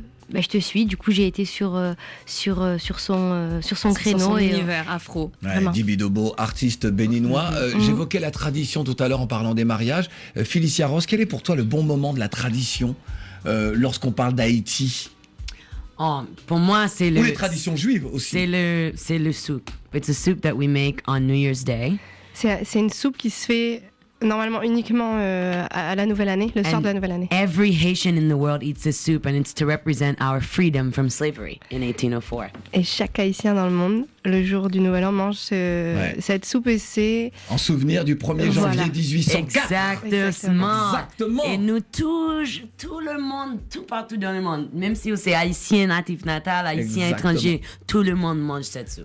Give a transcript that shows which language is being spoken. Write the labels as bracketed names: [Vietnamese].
[French] Bah, je te suis, du coup j'ai été sur son créneau. Sur son univers afro. Ouais, Dibi Dobo, artiste béninois. J'évoquais la tradition tout à l'heure en parlant des mariages. Félicia Ross, quel est pour toi le bon moment de la tradition lorsqu'on parle d'Haïti? Pour moi, c'est les traditions juives aussi. C'est le soup. [English] It's a soup that we make on New Year's Day. [French] C'est une soupe qui se fait normalement uniquement à la nouvelle année, le soir [English] and [French] de la nouvelle année. [English] Every Haitian in the world eats this soup and it's to represent our freedom from slavery in 1804. [French] Et chaque Haïtien dans le monde, le jour du Nouvel An, mange cette soupe et c'est... En souvenir du 1er janvier 1804. Exactement. Et nous touche tout le monde, tout partout dans le monde. Même si c'est Haïtien natif natal, Haïtien étranger, tout le monde mange cette soupe.